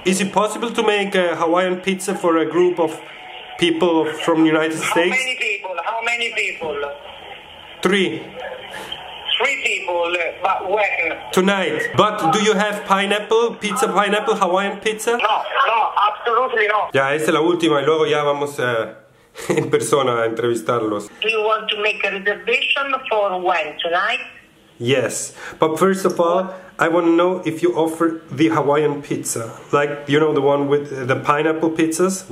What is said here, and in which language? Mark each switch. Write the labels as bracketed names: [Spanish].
[English] Is it possible to make a Hawaiian pizza for a group of people from the United States? How many people? Three people, but when? Tonight. But do you have pineapple, pizza pineapple, Hawaiian pizza? No, absolutely no. [Spanish] Ya, esta es la última y luego ya vamos en persona a entrevistarlos. [English] Do you want to make a reservation for when, tonight? Yes, but first of all, I want to know if you offer the Hawaiian pizza. Like, you know, the one with the pineapple pizzas?